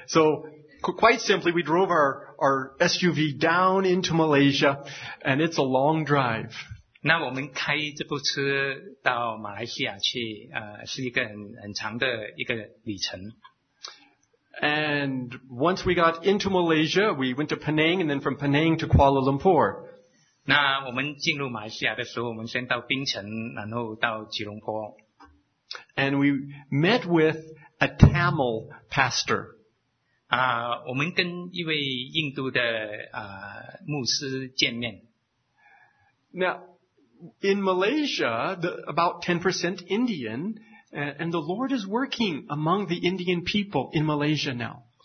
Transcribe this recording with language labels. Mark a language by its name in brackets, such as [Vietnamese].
[English] So quite simply, we drove our SUV down into Malaysia, and it's a long drive. [Chinese] 那我们开这部车到马来西亚去, 是一个很长的一个旅程。 [English] And once we got into Malaysia, we went to Penang, and then from Penang to Kuala Lumpur. [Chinese] 那我们进入马来西亚的时候，我们先到槟城，然后到吉隆坡。 [English] And we met with a Tamil pastor. [Chinese] 我们跟一位印度的 牧师见面。 [English] Now, in Malaysia, about 10% Indian, and the Lord is working among the Indian people in Malaysia now.